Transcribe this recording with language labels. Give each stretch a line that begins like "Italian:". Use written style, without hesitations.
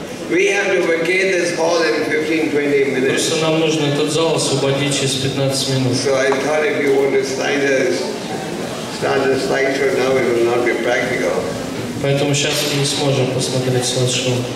English: We have to vacate this hall in 15-20 minutes.
Russian: Просто нам нужно этот зал освободить через 15 минут.
English: So I thought if you want to start a slideshow now, it will not be practical.
Russian: Поэтому сейчас мы не сможем посмотреть слайд-шоу.